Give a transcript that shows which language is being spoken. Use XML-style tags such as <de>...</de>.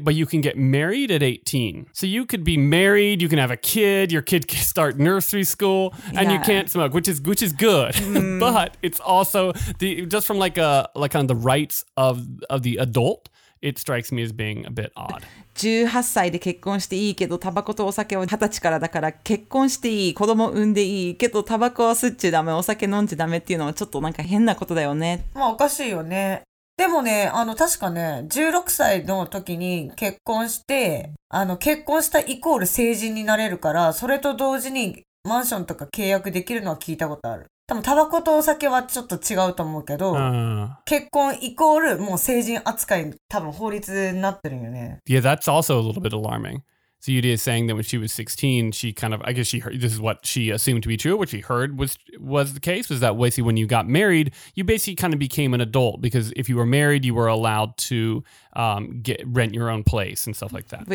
<en>But you can get married at 18. So you could be married, you can have a kid, your kid can start nursery school, and yeah. You can't smoke, which is good. Mm. But it's also just from like on the rights of the adult, it strikes me as being a bit odd.</en> <ja>18歳で結婚していいけどタバコとお酒は20歳からだから結婚していい子供産んでいいけどタバコは吸っちゃダメお酒飲んじゃダメっていうのはちょっとなんか変なことだよねまあおかしいよねでもね確かね16歳の時に結婚して結婚したイコール成人になれるからそれと同時にマンションとか契約できるのは聞いたことある多分タバコとお酒はちょっと違うと思うけど、結婚イコールもう成人扱い多分法律になってるよね。</ja> <en>Yeah, that's also a little bit alarming. So Yuri is saying that when she was 16, she kind of, I guess she heard, this is what she assumed to be true, what she heard was the case, was that basically when you got married, you basically kind of became an adult because if you were married, you were allowed to rent your own place and stuff like that.</en>